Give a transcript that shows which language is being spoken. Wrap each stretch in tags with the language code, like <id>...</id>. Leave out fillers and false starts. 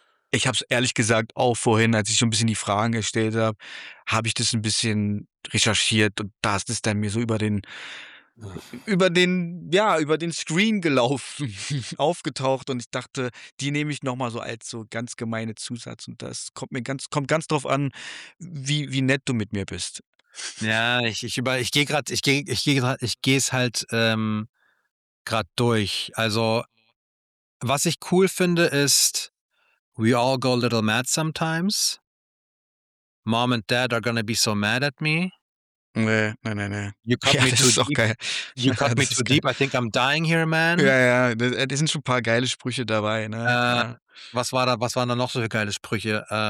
<de>Ich habe es ehrlich gesagt auch vorhin, als ich so ein bisschen die Fragen gestellt habe, habe ich das ein bisschen recherchiert und da ist es dann mir so über den Screen gelaufen, aufgetaucht und ich dachte, die nehme ich nochmal so als so ganz gemeine Zusatz und das kommt ganz drauf an, wie nett du mit mir bist. Ja, ich gehe es halt gerade durch. Also, was ich cool finde, ist,</de> <en>We all go a little mad sometimes. Mom and Dad are gonna be so mad at me.</en> <de>Nee, nee, nee, nee.</de> <en>You cut me too deep. Okay. You cut me too deep. I think I'm dying here, man.</en> <de>Ja, ja, da sind schon ein paar geile Sprüche dabei. Ne? Was waren da noch so für geile Sprüche?</de>